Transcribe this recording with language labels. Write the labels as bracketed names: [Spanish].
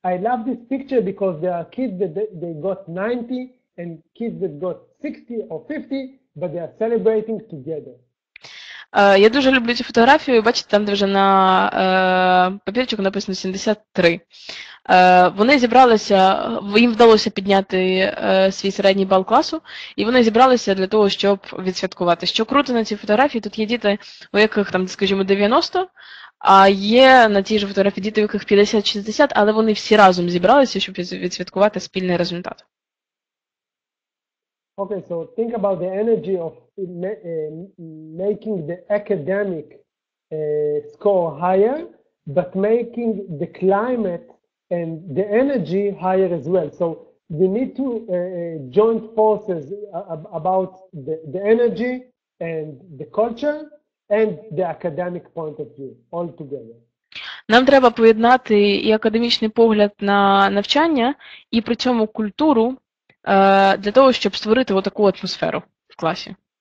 [English] I love this picture because there are kids that they got 90 and kids that got 60 or 50, but they are celebrating together. [Ukrainian] Я дуже люблю цю фотографію, бачите, там, де вже на папірчику написано 73. Вони зібралися, їм вдалося підняти свій середній бал класу, і вони зібралися для того, щоб відсвяткувати. Що круто на цій фотографії, тут є діти, у яких, там, скажімо, 90, а є на тій же фотографії діти, у яких 50-60, але вони всі разом зібралися, щоб відсвяткувати спільний результат. [English] Okay, so think about the energy of making the academic score higher, but making the climate and the energy higher as well. So we need to join forces about the energy and the culture and the academic point of view all together. [Ukrainian] Нам треба поєднати і академічний погляд на навчання, і при цьому культуру, для того, щоб створити отаку атмосферу в класі.